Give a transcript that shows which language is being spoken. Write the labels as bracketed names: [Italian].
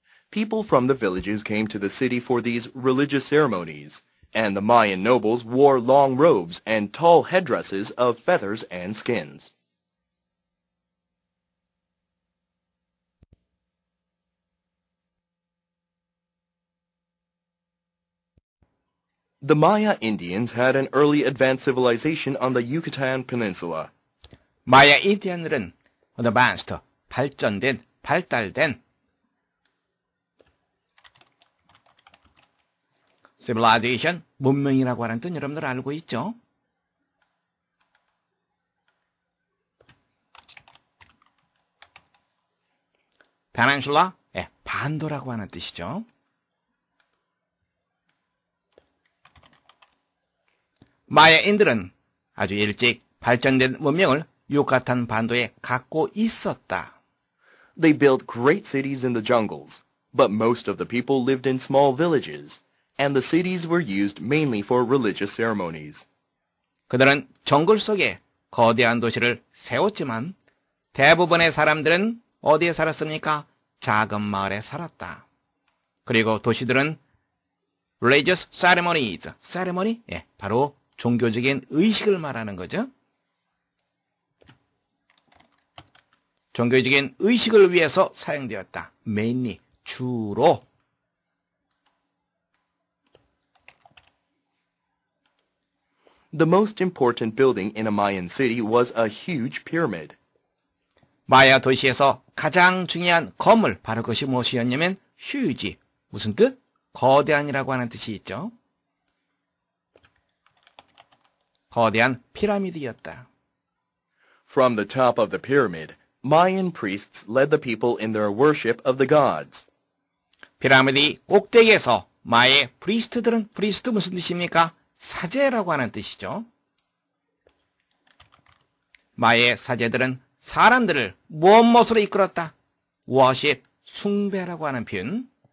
[English] People from the villages came to the city for these religious ceremonies, and the Mayan nobles wore long robes and tall headdresses of feathers and skins. The Maya Indians had an early advanced civilization on the Yucatan Peninsula. [Korean] Maya Indians은 advanced, 발전된, 발달된 Civilization, 문명이라고 하는 뜻 여러분들 알고 있죠? 페닌슐라, 예, 반도라고 하는 뜻이죠. Maya인들은 아주 일찍 발전된 문명을 유카탄 반도에 갖고 있었다. [English] They built great cities in the jungles, but most of the people lived in small villages. And the cities were used mainly for religious ceremonies. [Korean] 그들은 정글 속에 거대한 도시를 세웠지만 대부분의 사람들은 어디에 살았습니까? 작은 마을에 살았다. 그리고 도시들은 [English] religious ceremonies, [Korean] ceremony, 예, 바로 종교적인 의식을 말하는 거죠. 종교적인 의식을 위해서 사용되었다. mainly, 주로. [English] The most important building in a Mayan city was a huge pyramid. [Korean] 마야 도시에서 가장 중요한 건물, 바로 그것이 무엇이었냐면 huge, 무슨 뜻? 거대한이라고 하는 뜻이 있죠. 거대한 피라미드였다. [English] From the top of the pyramid, Mayan priests led the people in their worship of the gods. [Korean] 피라미드 꼭대기에서 마야의 프리스트들은, 프리스트 무슨 뜻입니까? 사제라고 하는 뜻이죠. 마야의 사제들은 사람들을 무엇으로 이끌었다? worship, 숭배라고 하는 표현.